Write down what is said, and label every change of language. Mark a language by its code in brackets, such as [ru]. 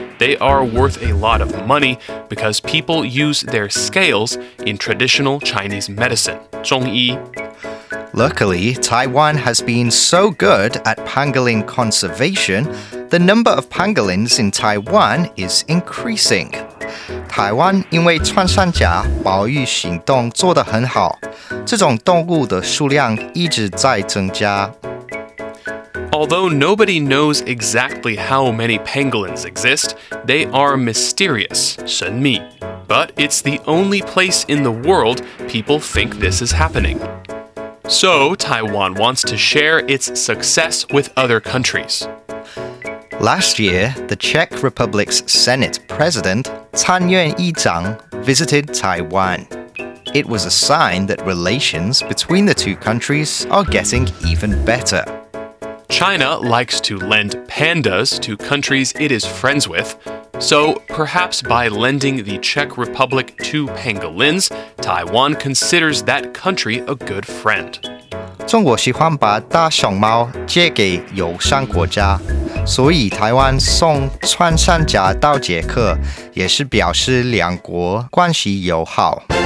[en] They are worth a lot of money because people use their scales in traditional Chinese medicine. [zh] 中医 [en] Luckily, Taiwan has been so good at pangolin conservation, the number of pangolins in Taiwan is increasing. [zh] 台湾因为穿山甲保育行动做得很好，这种动物的数量一直在增加。 [en] Although nobody knows exactly how many pangolins exist, they are mysterious, 神秘。 But it's the only place in the world people think this is happening. So Taiwan wants to share its success with other countries. Last year, the Czech Republic's Senate President, 参院议长, visited Taiwan. It was a sign that relations between the two countries are getting even better. China likes to lend pandas to countries it is friends with,So, perhaps by lending the Czech Republic two pangolins, Taiwan considers that country a good friend. [zh] 中國喜歡把大熊貓借給友善國家,所以台灣送穿山甲到捷克,也是表示兩國關係友好。